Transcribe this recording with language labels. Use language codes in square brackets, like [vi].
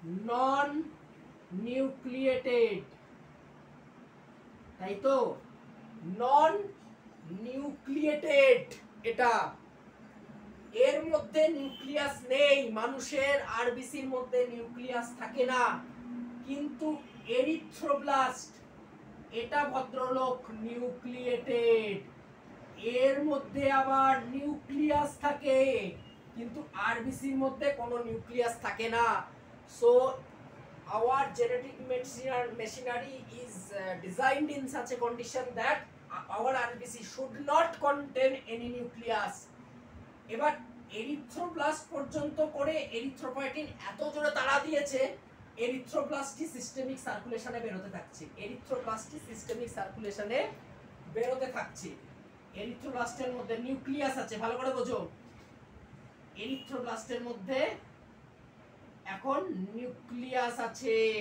[bn] নন nucleated, তাই তো, নন nucleated, এটা এর মধ্যে নিউক্লিয়াস নেই, মানুষের আরবিসির মধ্যে নিউক্লিয়াস থাকে না, কিন্তু এরিথ্রোব্লাস্ট এটা ভদ্রলোক নিউক্লিয়েটেড, এর মধ্যে আবার নিউক্লিয়াস থাকে, কিন্তু আরবিসির মধ্যে কোনো নিউক্লিয়াস থাকে না। So [en] our genetic machinery is designed in such a condition that our RBC should not contain any nucleus. [bn] এবার erythroblast পর্যন্ত করে erythropoietin এত জোরে তাড়া দিয়েছে erythroblastই systemic circulationে বেরোতে থাকছে. erythroblastই systemic circulationে বেরোতে থাকছে. erythroblastের মধ্যে nucleus আছে. ভালো করে বোঝো. erythroblastের মধ্যে এখন nucleus আছে.